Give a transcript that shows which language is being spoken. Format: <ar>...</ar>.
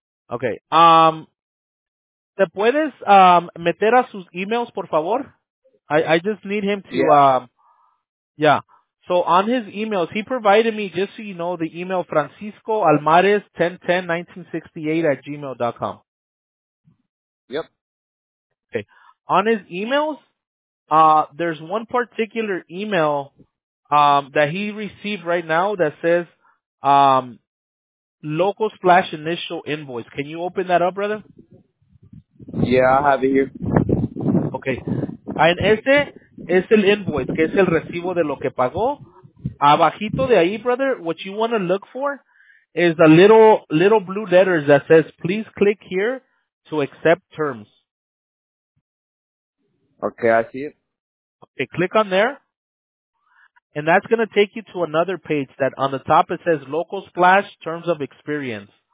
<es>¿Te puedes meter a sus emails, por favor?</es> <en>I just need him to, So on his emails, he provided me, just so you know, the email francisco.almares1010.1968@gmail.com. Yep. Okay. On his emails, there's one particular email, that he received right now that says, local / initial invoice. Can you open that up, brother? Yeah, I have it here. Okay.</en> <es>En ese es el invoice, que es el recibo de lo que pagó. Abajito de ahí,</es> <en>brother, what you want to look for is the little blue letters that says, please click here to accept terms. Okay, I see it. Okay, click on there. And that's going to take you to another page that on the top it says, local / terms of experience.</en>